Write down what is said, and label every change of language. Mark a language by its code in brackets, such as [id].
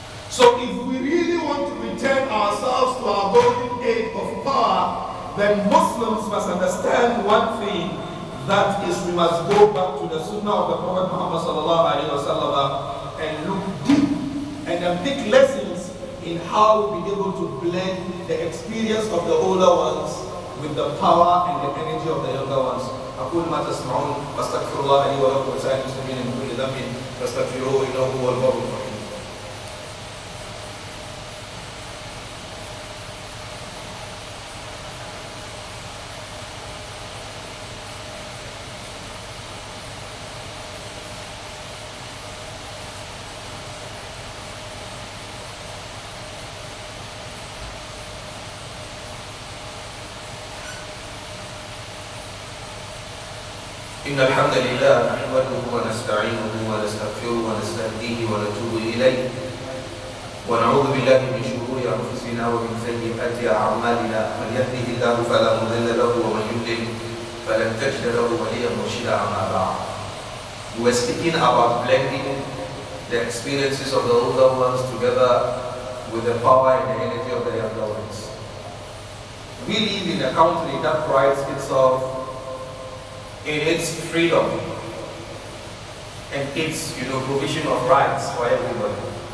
[en] So if we really want to return ourselves to our golden age of power, then Muslims must understand one thing, that is we must go back to the Sunnah of the Prophet Muhammad sallallahu alaihi wasallam and look deep and unpick lessons in how we be able to blend the experience of the older ones with the power and the energy of the younger ones. [ar] أقول ما تسمعون أستغفر الله لي ولكم وسائر المسلمين من كل ذنب فاستغفروه إنه هو البر الرحيم. إن الحمد لله نحمده ونستعينه ونستغفره ونستهديه ونتوب إليه ونعوذ بالله من شرور أنفسنا ومن سيئات أعمالنا من يهده الله فلا مضل له ومن يضلل فلن تجد له وليا مرشدا أما بعد. [en] We were speaking about blending the experiences of the older ones together with the power and the energy of the younger ones. We live in a country that prides itself in its freedom and its, you know, provision of rights for everybody.